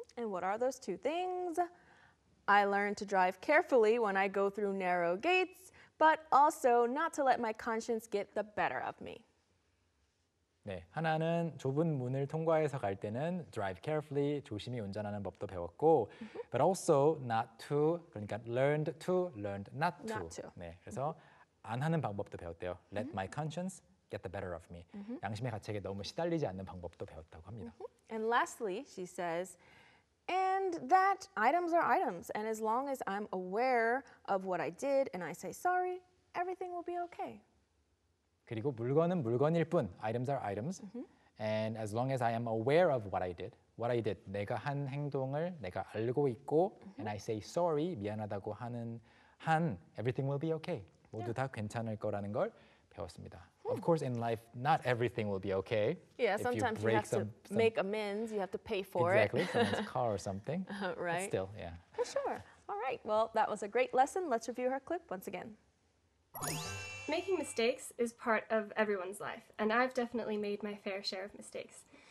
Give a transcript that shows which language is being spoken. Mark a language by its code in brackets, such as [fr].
[en] And what are those two things? I learned to drive carefully when I go through narrow gates, but also not to let my conscience get the better of me. [ko] 네, 하나는 좁은 문을 통과해서 갈 때는 [en] drive carefully, [ko] 조심히 운전하는 법도 배웠고 [en] but also not to, [ko] 그러니까 [en] learned not to. [ko] 네, 그래서 안 하는 방법도 배웠대요. [en] Let my conscience get the better of me. [ko] 양심의 가책에 너무 시달리지 않는 방법도 배웠다고 합니다. [en] And lastly, she says, and that items are items. And as long as I'm aware of what I did and I say sorry, everything will be okay. [ko] 그리고 물건은 물건일 뿐, [en] items are items. And as long as I am aware of what I did, [ko] 내가 한 행동을 내가 알고 있고, [en] and I say sorry, [ko] 미안하다고 하는 한, [en] everything will be okay. [ko] 모두 다 괜찮을 거라는 걸 배웠습니다. [en] Of course, in life, not everything will be okay. Yeah, sometimes you have to make amends, you have to pay for exactly, it. Exactly, someone's car or something. Right. But still, yeah. For sure. All right, well, that was a great lesson. Let's review her clip once again. Making mistakes is part of everyone's life, and I've definitely made my fair share of mistakes.